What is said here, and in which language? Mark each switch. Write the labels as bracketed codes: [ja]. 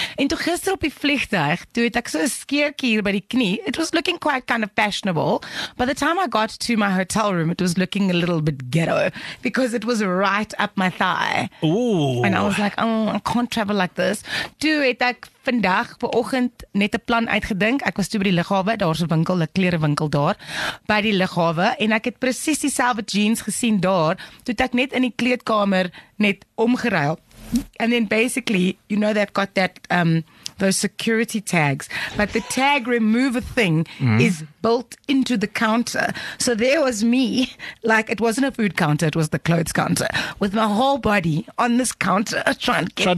[af] En toe gister op die vliegtuig, toe het ek so 'n skeertjie hier by die knie. [en] It was looking quite kind of fashionable. By the time I got to my hotel room, it was looking a little bit ghetto because it was right up my thigh. Ooh. And I was like, oh, I can't travel like this. [af] Toe het ek vandag voor oggend net 'n plan uitgedink. Ek was toe by die lughawe, daar's 'n winkel, 'n klerewinkel daar by die lughawe en ek het presies dieselfde jeans gesien daar. Toe het ek net in die kleedkamer net omgeruil. [en] And then basically, you know they've got that those security tags, but the tag remover thing is built into the counter. So there was me, like it wasn't a food counter, it was the clothes counter, with my whole body on this counter trying to get,